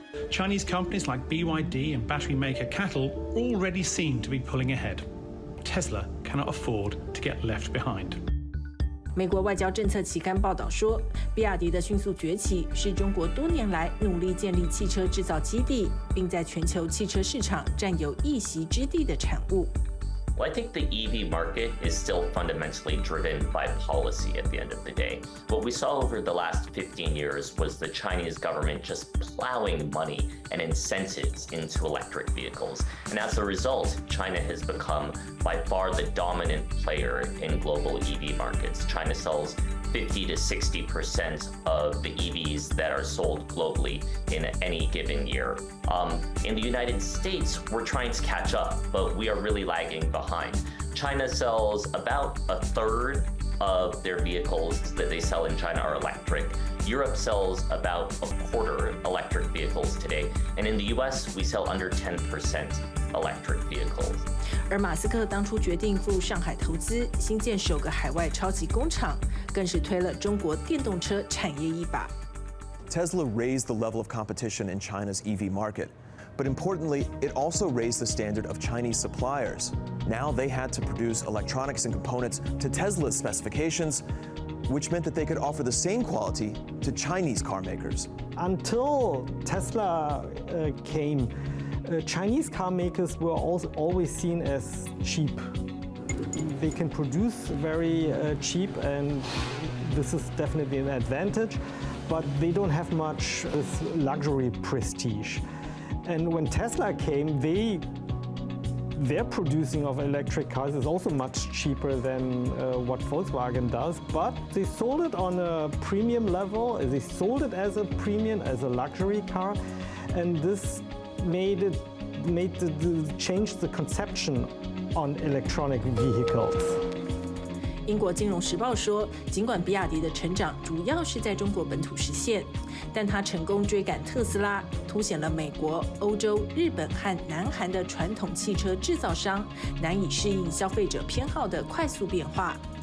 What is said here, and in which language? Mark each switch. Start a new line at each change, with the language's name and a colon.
English: Chinese companies like BYD and battery maker CATL already seem to be pulling ahead. Tesla cannot afford to get left behind.
Chinese: 美国外交政策期刊报道说，比亚迪的迅速崛起是中国多年来努力建立汽车制造基地，并在全球汽车市场占有一席之地的产物。
English: Well, I think the EV market is still fundamentally driven by policy at the end of the day. What we saw over the last 15 years was the Chinese government just plowing money and incentives into electric vehicles. And as a result, China has become by far the dominant player in global EV markets. China sells 50 to 60% of the EVs that are sold globally in any given year. In the United States, we're trying to catch up, but we are really lagging behind. China sells about a third of their vehicles that they sell in China are electric. Europe sells about a quarter electric vehicles today. And in the US, we sell under 10% electric vehicles.
Chinese: 而马斯克当初决定赴上海投资，新建首个海外超级工厂，更是推了中国电动车产业一把。
English: Tesla raised the level of competition in China's EV market, but importantly, it also raised the standard of Chinese suppliers. Now they had to produce electronics and components to Tesla's specifications, which meant that they could offer the same quality to Chinese car makers. Until Tesla came, Chinese car makers were always seen as cheap. They can produce very cheap, and this is definitely an advantage, but they don't have much luxury prestige. And when Tesla came, their producing of electric cars is also much cheaper than what Volkswagen does, but they sold it on a premium level. They sold it as a premium, as a luxury car, and this changed the conception on electronic vehicles.
Chinese: 英国金融时报说，尽管比亚迪的成长主要是在中国本土实现，但它成功追赶特斯拉，凸显了美国、欧洲、日本和南韩的传统汽车制造商难以适应消费者偏好的快速变化。